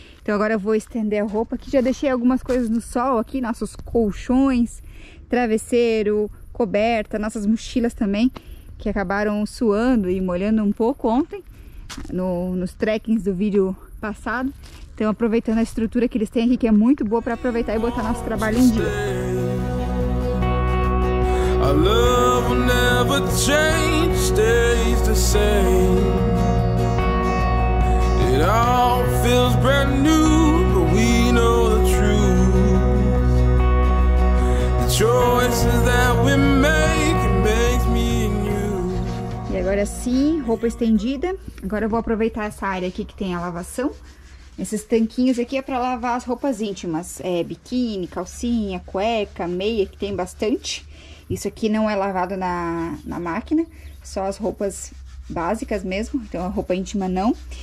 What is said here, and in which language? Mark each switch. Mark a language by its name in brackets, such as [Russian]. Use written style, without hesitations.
[Portuguese] Então agora eu vou estender a roupa aqui. Já deixei algumas coisas no sol aqui, nossos colchões, travesseiro, coberta, nossas mochilas também, que acabaram suando e molhando um pouco ontem, nos trekkings do vídeo passado. Então aproveitando a estrutura que eles têm aqui, que é muito boa, para aproveitar e botar nosso trabalho em dia. [English] A love will never change, stays the same. It all feels brand new, but we know the truth. The choices that we make, it makes me and you. [Portuguese] E agora sim, roupa estendida. Agora eu vou aproveitar essa área aqui que tem a lavação. Esses tanquinhos aqui é para lavar as roupas íntimas, biquíni, calcinha, cueca, meia, que tem bastante. Isso aqui não é lavado na máquina, só as roupas básicas mesmo, então a roupa íntima não.